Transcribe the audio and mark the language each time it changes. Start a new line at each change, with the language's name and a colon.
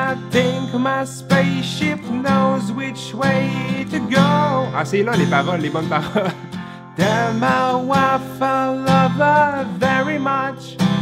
English: Think my spaceship knows which way to go.
French: Ah, c'est là les paroles, les bonnes paroles.
English: Tell my wife I love her very much.